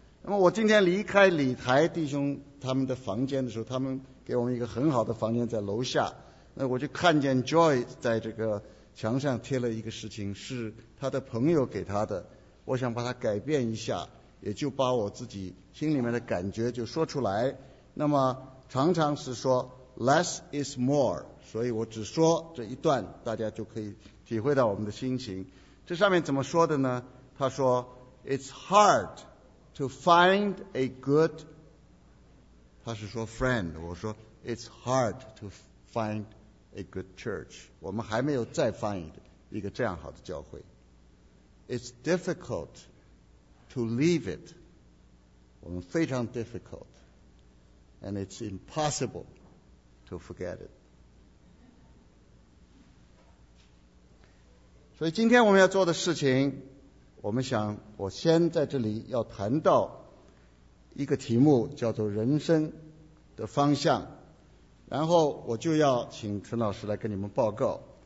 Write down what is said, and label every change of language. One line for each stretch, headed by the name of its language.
Chinese: 那么我今天离开礼台弟兄他们的房间的时候，他们给我们一个很好的房间在楼下，那我就看见 Joy 在这个墙上贴了一个事情，是他的朋友给他的，我想把它改变一下，也就把我自己心里面的感觉就说出来。那么常常是说 less is more， 所以我只说这一段，大家就可以体会到我们的心情。这上面怎么说的呢？他说 it's hard to find a good， 他是说 friend， 我说
English: it's hard to find a good church，
Chinese: 我们还没有再 find 一个这样好的教会。
English: It's difficult to leave it，
Chinese: 我们非常
English: difficult， and it's impossible to forget it。
Chinese: 所以今天我们要做的事情，我们想我先在这里要谈到一个题目，叫做人生的方向，然后我就要请陈老师来跟你们报告。